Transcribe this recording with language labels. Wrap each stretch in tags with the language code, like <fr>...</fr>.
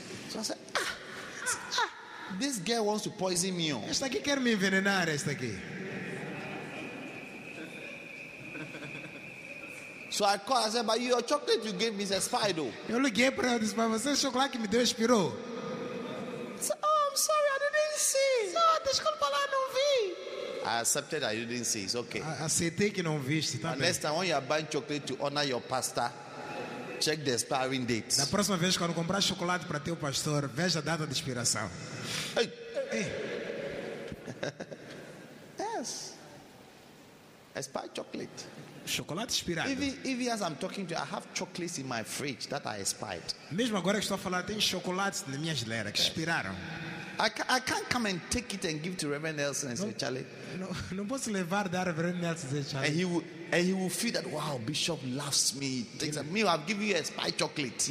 <en>So I said, this girl wants to poison me.</en> <pt>Esta aqui quer me envenenar, esta aqui.</pt> <en>So I called, I said, but your chocolate you gave me is expired though.</en> <pt>Eu liguei para ela e disse, mas você o chocolate que me deu expirou.</pt> <en>Sorry, I didn't see.</en> <pt>Oh, desculpa lá, não vi.</pt> <en>I accepted that you didn't see. It's okay.</en> <pt>Aceitei que não viste. Tá bem.</pt> <en>Next time when you are buying chocolate to honor your pastor, check the expiring date.</en> <pt>Na próxima vez quando comprar chocolate para teu pastor, veja a data de expiração.</pt> <en>Hey. Hey. Yes. Expired chocolate.</en> <pt>Chocolate expirado.</pt> <en>Even as I'm talking to you, I have chocolates in my fridge that are expired.</en> <pt>Mesmo agora que estou a falar, tem chocolates na minha geladeira que expiraram.</pt> <en>I can't come and take it and give to Reverend Nelson and say, Charlie.</en> <pt>Não posso levar dar a Reverend Nelson e Charlie.</pt> <en>And he will feel that, wow, Bishop loves me. Takes me, I'll give you a spy chocolate.</en>